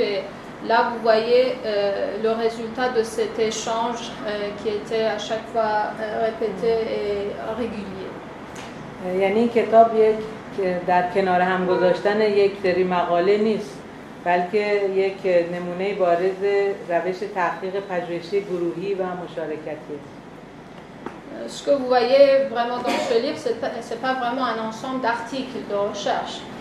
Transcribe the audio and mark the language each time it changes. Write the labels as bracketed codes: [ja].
[fr] Et là, vous voyez le résultat de cet échange qui était à chaque fois répété et régulier. [fa] یعنی کتاب یک در کنار هم گذاشتن یک سری مقاله نیست، بلکه یک نمونه بارز روش تحقیق پژوهشی گروهی و مشارکتی. [fr] Ce que vous voyez vraiment dans ce livre, ce n'est pas vraiment un ensemble d'articles de recherche.